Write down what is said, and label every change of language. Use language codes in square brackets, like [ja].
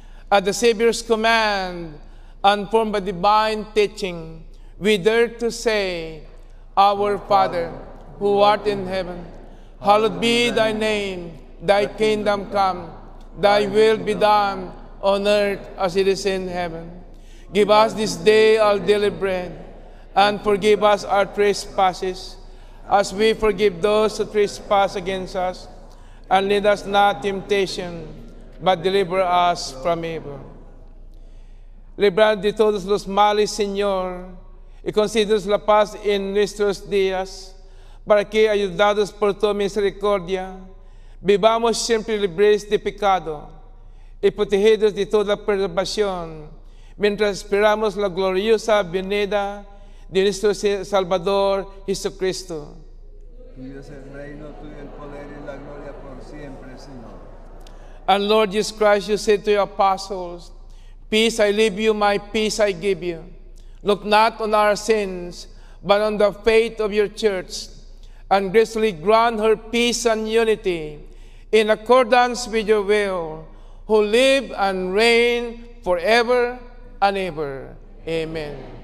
[en] At the Savior's command, and formed by divine teaching, we dare to say, Our Father, who art in heaven, hallowed be thy name, thy kingdom come, thy will be done on earth as it is in heaven. Give us this day our daily bread, and forgive us our trespasses, as we forgive those who trespass against us. And lead us not into temptation, but deliver us from evil. [es] Libra de todos los males, Señor, y concedernos la paz en nuestros días, para que, ayudados por tu misericordia, vivamos siempre libres de pecado y protegidos de toda perturbación, mientras esperamos la gloriosa venida de nuestro Salvador Jesucristo. Tuyo es el reino, tuyo el poder y la gloria por siempre. siempre, Señor. [en] And Lord Jesus Christ, you said to your apostles, "Peace I leave you, my peace I give you. Look not on our sins, but on the faith of your church, and graciously grant her peace and unity in accordance with your will, who live and reign forever and ever. Amen."